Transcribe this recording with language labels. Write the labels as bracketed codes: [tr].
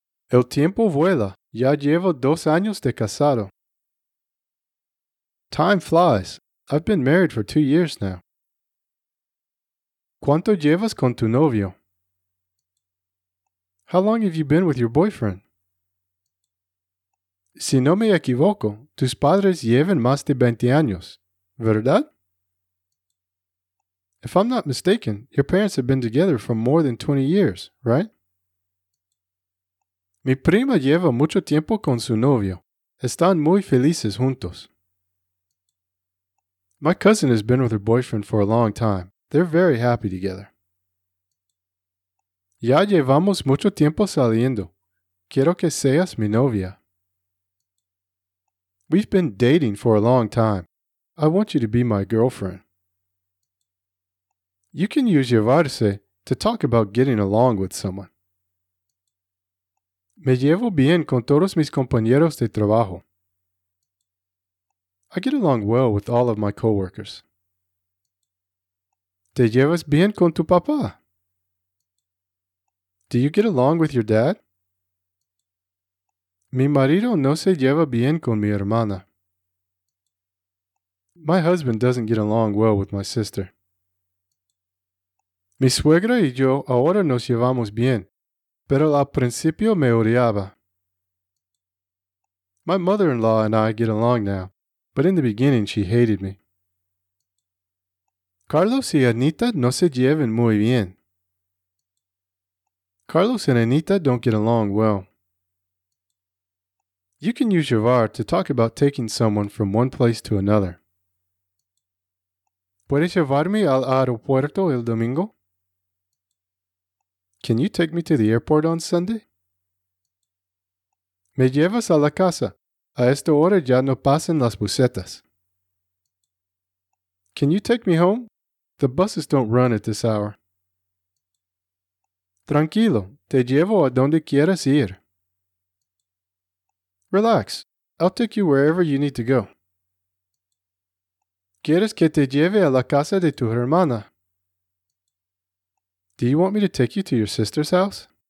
[es] El tiempo vuela. Ya llevo 2 años de casado. [en] Time flies. I've been married for 2 years now. [es] ¿Cuánto llevas con tu novio? [en] How long have you been with your boyfriend? [es] Si no me equivoco, tus padres llevan más de 20 años, ¿verdad? [en] If I'm not mistaken, your parents have been together for more than 20 years, right? [es] Mi prima lleva mucho tiempo con su novio. Están muy felices juntos. [en] My cousin has been with her boyfriend for a long time. They're very happy together. [es] Ya llevamos mucho tiempo saliendo. Quiero que seas mi novia. [en] We've been dating for a long time. I want you to be my girlfriend. You can use llevarse to talk about getting along with someone. [es] Me llevo bien con todos mis compañeros de trabajo. [en] I get along well with all of my coworkers. [es] ¿Te llevas bien con tu papá? [en] Do you get along with your dad? [es] Mi marido no se lleva bien con mi hermana. [en] My husband doesn't get along well with my sister. [es] Mi suegra y yo ahora nos llevamos bien, pero al principio me odiaba. [en] My mother-in-law and I get along now, but in the beginning she hated me. [es] Carlos y Anita no se llevan muy bien. [en] Carlos and Anita don't get along well. You can use llevar to talk about taking someone from one place to another. [es] ¿Puedes llevarme al aeropuerto el domingo? [en] Can you take me to the airport on Sunday? [es] ¿Me llevas a la casa? A esta hora ya no pasan las busetas. [en] Can you take me home? The buses don't run at this hour. [es] Tranquilo, te llevo a donde quieras ir. [en] Relax, I'll take you wherever you need to go. [es] ¿Quieres que te lleve a la casa de tu hermana? [en] Do you want me to take you to your sister's house?